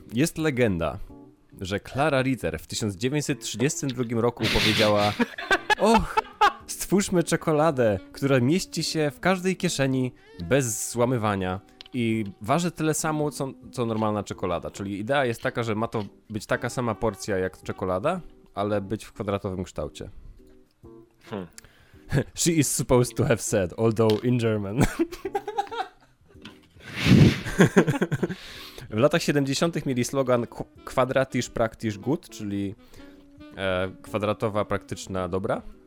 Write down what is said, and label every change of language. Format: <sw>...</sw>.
<pl>Jest legenda, że Clara Ritter w 1932 roku powiedziała: och, stwórzmy czekoladę, która mieści się w każdej kieszeni bez złamywania i waży tyle samo, co normalna czekolada. Czyli idea jest taka, że ma to być taka sama porcja jak czekolada, ale być w kwadratowym kształcie.</pl> <en>She is supposed to have said, although in German.</en> <pl>W latach 70. mieli slogan</pl> <de>Quadratisch praktisch gut,</de> <pl>czyli kwadratowa praktyczna dobra.</pl>